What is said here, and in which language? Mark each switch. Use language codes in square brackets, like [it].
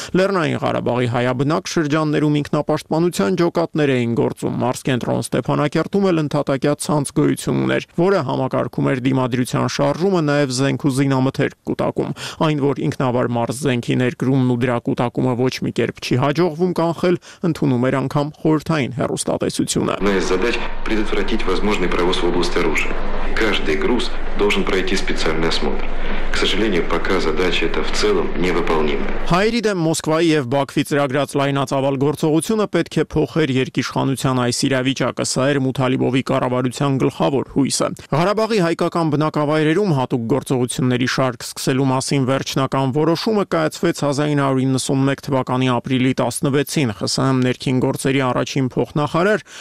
[hy] Լեռնային Ղարաբաղի հայաբնակ շրջաններում ինքնապաշտպանության ջոկատներ էին գործում։ Մարզկենտրոն Ստեփանակերտում էլ ընդհատակյա ցանց գոյություն ուներ, որը համակարգում էր դիմադրության շարժումը նաև զենք ու զինամթերք կուտակում։ Այն որ ինքնավար մարզ զենքի ներգրումն ու դրա կուտակումը ոչ մի կերպ չի հաջողվում կանխել, ընդունում էր անգամ խորհրդային հեռուստատեսությունը։ [ru] Մեր задача предотвратить возможный провоз в области оружия. Каждый груз должен пройти специальный осмотр. [hy] Հայերի դեմ Մոսկվայի եւ Բաքվի ծրագրած լայնածավալ գործողությունը պետք է փոխեր երկիշխանության այս իրավիճակը, սա էր Մութալիբովի կառավարության գլխավոր հույսը։ Ղարաբաղի հայկական բնակավայրերում հատուկ գործողությունների շարք սկսելու մասին վերջնական որոշումը կայացվեց 1991 թվականի ապրիլի 16-ին։ ԽՍՀՄ ներքին գործերի առաջին փոխնախարար,